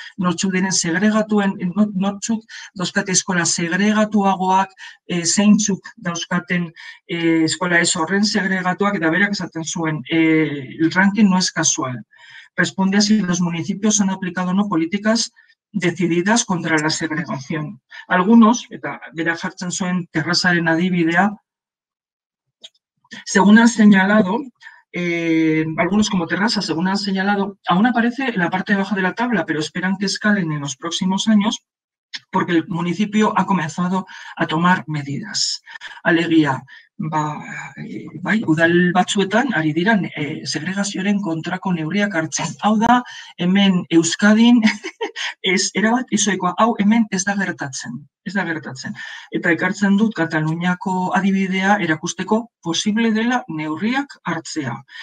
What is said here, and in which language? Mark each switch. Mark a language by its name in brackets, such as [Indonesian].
[Basque] Nortzuk diren segregatuen, nortzuk dauzkate eskola segregatuagoak, zeintzuk dauzkaten eskola ez horren segregatuak, eta berak esaten zuen, [Spanish] el ranking no es casual. Responde a si los municipios han aplicado no políticas decididas contra la segregación. Algunos, [Basque] eta bera jartzen zuen terrazaren adibidea, [Spanish] según han señalado, algunos como terraza, según han señalado, aún aparece en la parte de baja de la tabla, pero esperan que escalen en los próximos años porque el municipio ha comenzado a tomar medidas. Alegría. [Basque] Bai, udal batzuetan, ari diran, segregazioaren kontrako neurriak hartzen. Hau da, hemen Euskadin, ez, erabat, izoikoa, hau hemen ez da gertatzen. Ez da gertatzen. Eta ekartzen dut, Kataluniako adibidea erakusteko posible dela neurriak hartzea.